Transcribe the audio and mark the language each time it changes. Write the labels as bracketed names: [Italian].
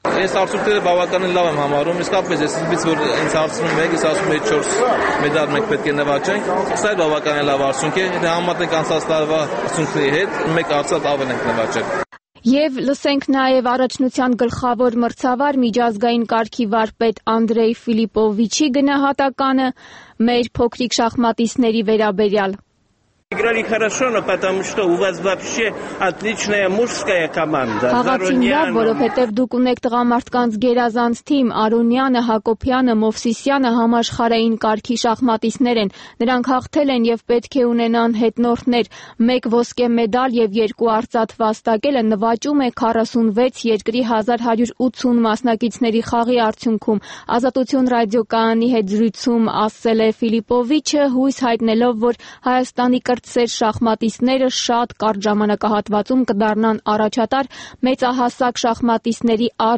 [Armenian] Ես արդյունքները բավականին լավ եմ համարում, իսկապես ես ինձ որ ինձ հարցնում եք, ես ասում եմ 4 մեդալ մենք պետք է նվաճենք, սա բավականին լավ արդյունք է, եթե համատենք անցած տարվա արդյունքների հետ, մեկ արծաթ ավել ենք նվաճել։ Եվ լսենք նաև առաջնության գլխավոր մրցավար միջազգային կարգի վարպետ Անդրեյ Ֆիլիպովիչի գնահատականը մեր փոքրիկ շախմատիստների վերաբերյալ։ [Russian] Играли хорошо, но потому что у вас вообще отличная мужская команда. [Armenian] Խաղացին լավ, որովհետև դուք ունեք տղամարդկանց գերազանց թիմ, Արունյանը, Հակոբյանը, Մովսիսյանը համաշխարհային կարգի շախմատիստներ են։ Նրանք հաղթել են եւ պետք է ունենան հետնորդներ։ Մեկ ոսկե մեդալ եւ երկու արծաթ վաստակելը նվաճում է 46 երկրի 1180 մասնակիցների խաղի արդյունքում։ Ազատություն ռադիոկանանի հետ զրույցում ասել է Ֆիլիպովիչը, հույս հայտնելով, որ Հայաստանի կրտսեր շախմատիստները շատ կարճ ժամանակահատվածում կդառնան առաջատար մեծահասակ շախմատիստների